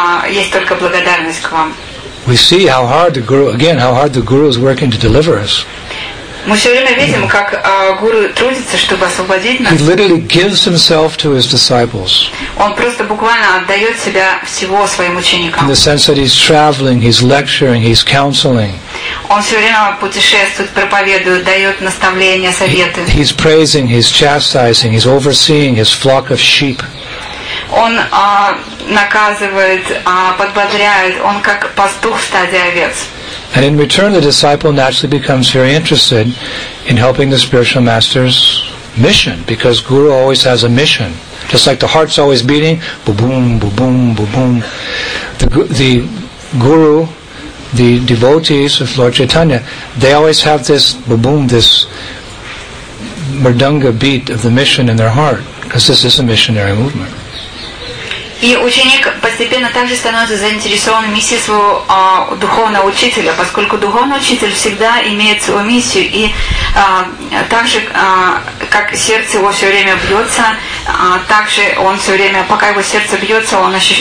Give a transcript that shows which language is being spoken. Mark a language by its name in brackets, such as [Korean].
[Russian] Есть только благодарность к вам. [English] We see how hard the guru, again, how hard the guru is working to deliver us. [Russian] Мы все время видим, как гуру трудится, чтобы освободить нас. [English] He literally gives himself to his disciples. [Russian] Он просто буквально отдает себя всего своим ученикам. [English] In the sense that he's traveling, he's lecturing, he's counseling. [Russian] Он все время путешествует, проповедует, дает наставления, советы. [English] He's praising, he's chastising, he's overseeing his flock of sheep. [Russian] Он наказывает, подбодряет, он как пастух в стаде овец. [English] And in return, the disciple naturally becomes very interested in helping the spiritual master's mission, because guru always has a mission. Just like the heart's always beating, boom, boom, boom, boom, boom. The guru, the devotees of Lord Chaitanya, they always have this boom, this murdunga beat of the mission in their heart, because this is a missionary movement. [Russian] И ученик постепенно также становится заинтересован в миссии своего духовного учителя, поскольку духовный учитель всегда имеет свою миссию, и так же, как сердце его все время бьется, так же он все время, пока его сердце бьется, он